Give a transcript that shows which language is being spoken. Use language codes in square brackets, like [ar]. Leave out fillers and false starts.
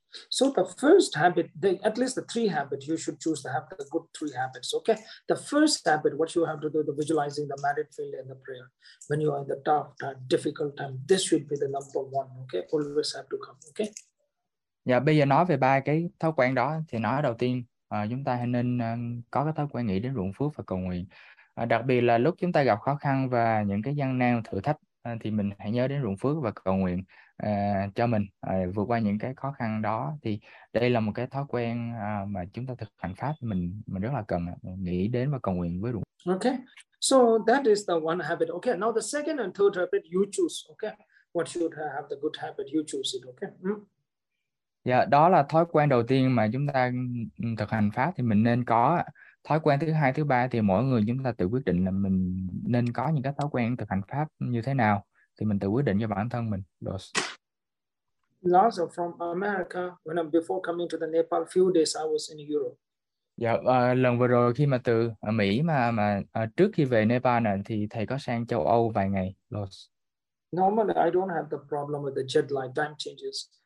[en] So the first habit, at least the three habits, you should choose to have the good three habits. Okay. The first habit, what you have to do, the visualizing the merit field and the prayer. When you are in the tough time, difficult time, this should be the number one. Okay. Always have to come. Okay. [vi] Dạ, bây giờ nói về ba cái thói quen đó thì nói đầu tiên chúng ta hãy nên có cái thói quen nghĩ đến ruộng phước và cầu nguyện, đặc biệt là lúc chúng ta gặp khó khăn và những cái gian nan thử thách thì mình hãy nhớ đến ruộng phước và cầu nguyện cho mình vượt qua những cái khó khăn đó. Thì đây là một cái thói quen mà chúng ta thực hành pháp mình rất là cần nghĩ đến và cầu nguyện với ruộng. [en] Okay, so that is the one habit. Okay, now the second and third habit you choose. Okay, what should have the good habit you choose it. Okay. [vi] Dạ, đó là thói quen đầu tiên mà chúng ta thực hành pháp thì mình nên có. Thói quen thứ hai, thứ ba thì mỗi người chúng ta tự quyết định là mình nên có những cái thói quen thực hành pháp như thế nào thì mình tự quyết định cho bản thân mình. [en] Last from America, when I'm before coming to the Nepal, few days I was in Europe. [vi] Dạ, lần vừa rồi khi mà từ Mỹ mà trước khi về Nepal nè thì thầy có sang châu Âu vài ngày. [en] Normally, I don't have the problem with the jet lag, time changes.